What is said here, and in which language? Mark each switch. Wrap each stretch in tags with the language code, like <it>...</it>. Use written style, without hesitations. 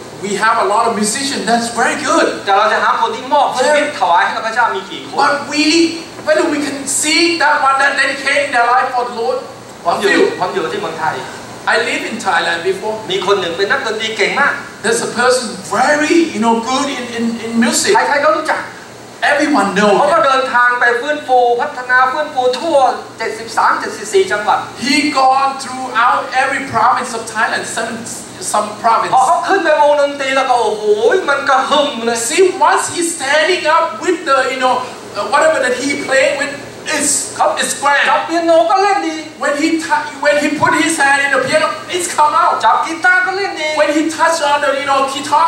<en>We have a lot of musicians that's very good</en> <th>แต่เราจะหาคนที่มอบชีวิตถวายให้พระเจ้ามีกี่คน</th> <en>But we can see that one that dedicated their life for the Lord</en> <th>ผมอยู่ที่เมืองไทย</th> <en>I live in Thailand before</en> <th>มีคนหนึ่งเป็นนักดนตรีเก่งมาก</th> <en>There's a person very you know good in music</en> <th>ใครๆก็รู้จัก</th> <en>Everyone knows.</en> <th>เขาก็เดินทางไปฟื้นฟูพัฒนาฟื้นฟูทั่ว 73 74 จังหวัด</th> <en>He gone throughout every province of Thailand, some province.</en> <th>เขาขึ้นไปวงดนตรีแล้วก็โอ้โหมันกระหึ่มเลย</th> <en>See, once he's standing up with the, you know, whatever that he playing with, it's grand.</en> <th>จับเปียโนก็เล่นดี</th> <en>When he put his hand in the piano, it's come out.</en> <th>จับกีตาร์ก็เล่นดี</th> <en>When he touch on the, you know, guitar,</en>